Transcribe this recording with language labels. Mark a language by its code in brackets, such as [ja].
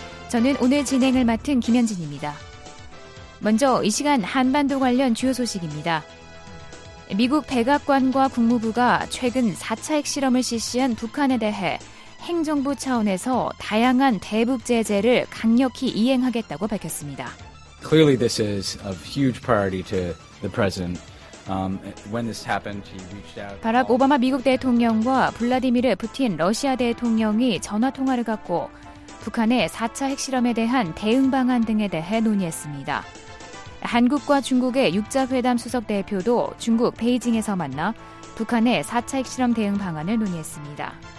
[ko] 저는 오늘 진행을 맡은 김현진입니다. 먼저 이 시간 한반도 관련 주요 소식입니다. 미국 백악관과 국무부가 최근 4차 핵실험을 실시한 북한에 대해 행정부 차원에서 다양한 대북 제재를 강력히 이행하겠다고 밝혔습니다. [en] Clearly this is a huge priority to the president. When this happened, he reached out. [ko] 바락 오바마 미국 대통령과 블라디미르 푸틴 러시아 대통령이 전화 통화를 갖고 북한의 4차 핵실험에 대한 대응 방안 등에 대해 논의했습니다. 한국과 중국의 육자회담 수석 대표도 중국 베이징에서 만나 북한의 4차 핵실험 대응 방안을 논의했습니다.